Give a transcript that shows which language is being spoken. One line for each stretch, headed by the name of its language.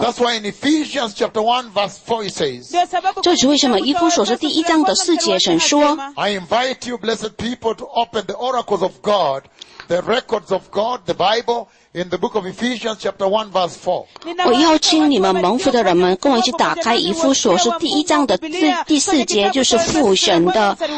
English: That's why in Ephesians chapter 1 verse 4 he says,
Chinese: 这是为什么以弗所书第一章的四节神说,
English: I invite you blessed people to open the oracles of God, the records of God, the Bible, in the book of Ephesians chapter 1 verse 4.
Chinese: 我邀请你们蒙福的人们跟我一起打开以弗所书第一章的第四节，就是父神的